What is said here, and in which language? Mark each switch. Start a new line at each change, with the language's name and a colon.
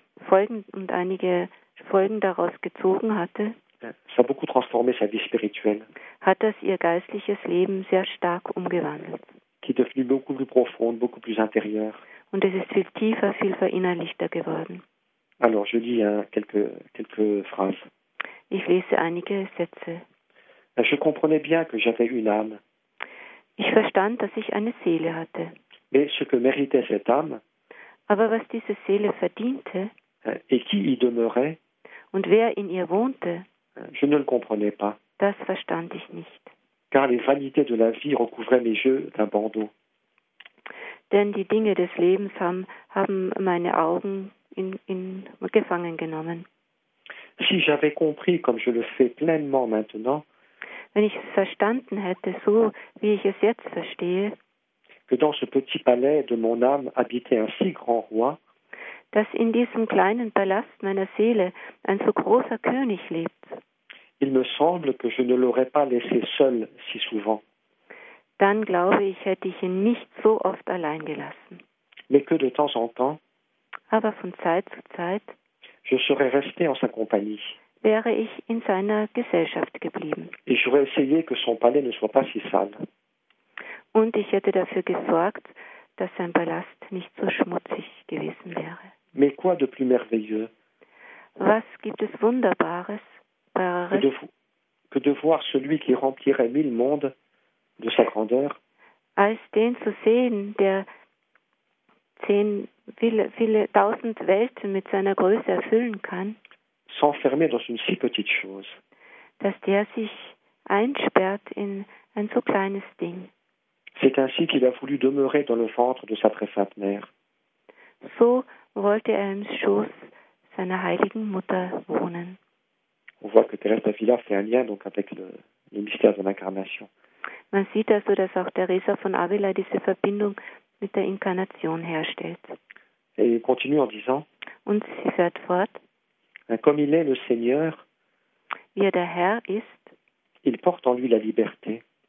German: und einige Folgen daraus gezogen hatte,
French: ça a beaucoup transformé sa vie spirituelle.
German: Hat das ihr geistliches Leben sehr stark umgewandelt.
French: Qui est devenu beaucoup plus profond, beaucoup plus intérieur.
German: Und es ist viel tiefer, viel verinnerlichter geworden.
French: Alors, je lis quelques phrases.
German: Ich lese einige Sätze.
French: Je comprenais bien que j'avais une âme.
German: Ich verstand, dass ich eine Seele hatte.
French: Mais ce que méritait cette âme,
German: aber was diese Seele verdiente,
French: et qui y demeurait,
German: und wer in ihr wohnte,
French: je ne le comprenais pas.
German: Das verstand ich nicht.
French: Car les vanités de la vie recouvraient mes yeux d'un bandeau.
German: Denn die Dinge des Lebens haben meine Augen in gefangen genommen.
French: Si j'avais compris comme je le fais pleinement maintenant,
German: wenn ich es verstanden hätte, so wie ich es jetzt verstehe,
French: que dans ce petit palais de mon âme habitait un si grand roi,
German: dass in diesem kleinen Palast meiner Seele ein so großer König lebt,
French: il me semble que je ne l'aurais pas laissé seul si souvent.
German: Dann glaube ich, hätte ich ihn nicht so oft allein gelassen.
French: Mais que de temps en temps,
German: aber von Zeit zu Zeit,
French: je serais resté en sa compagnie.
German: Wäre ich in seiner Gesellschaft geblieben.
French: Et j'aurais essayé que son palais ne soit pas si sale.
German: Und ich hätte dafür gesorgt, dass sein Palast nicht so schmutzig gewesen wäre.
French: Mais quoi de plus merveilleux?
German: Was gibt es Wunderbares,
French: que de voir celui qui remplirait mille mondes de sa grandeur?
German: Als den zu sehen, der viele tausend Welten mit seiner Größe erfüllen kann.
French: S'enfermer dans une si petite chose.
German: Dass der sich einsperrt in ein so kleines Ding.
French: C'est ainsi qu'il a voulu demeurer dans le ventre de sa très sainte mère.
German: So wollte er im Schoß seiner heiligen Mutter wohnen.
French: On voit que Thérèse d'Avila fait un lien donc avec le mystère de l'incarnation.
German: Man sieht also, dass auch Teresa von Avila diese Verbindung mit der Inkarnation herstellt.
French: Et il continue en disant.
German: Und sie fährt fort.
French: Comme il est le Seigneur.
German: Wie er der Herr ist.
French: Il porte en lui la liberté.